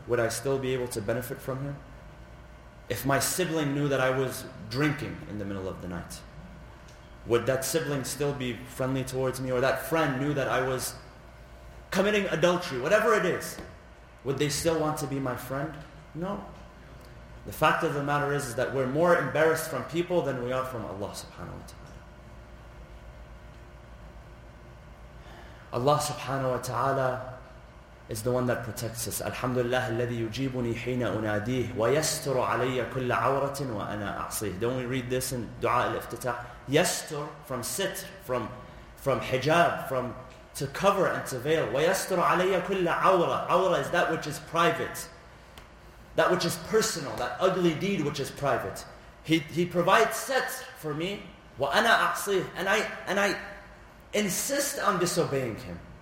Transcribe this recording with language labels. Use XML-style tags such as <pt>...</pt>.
<en>Would I still be able to benefit from him? If my sibling knew that I was drinking in the middle of the night, would that sibling still be friendly towards me? Or that friend knew that I was committing adultery, whatever it is, would they still want to be my friend? No. The fact of the matter is that we're more embarrassed from people than we are from Allah subhanahu wa ta'ala. Allah subhanahu wa ta'ala is the one that protects us.</en> <ar>Alhamdulillah, الذي يجيبني حين أناديه ويستر علي كل عورة وأنا أعصيه.</ar> <en>Don't we read this in Dua al-Iftitah? يستر from sitr, from hijab, from to cover and to veil.</en> <ar>ويستر علي كل عورة.</ar> <en>عورة is that which is private. That which is personal, that ugly deed which is private. He provides sets for me,</en> <ar>وَأَنَا أَعْصِيهِ</ar> <en>and I insist on disobeying Him.</en>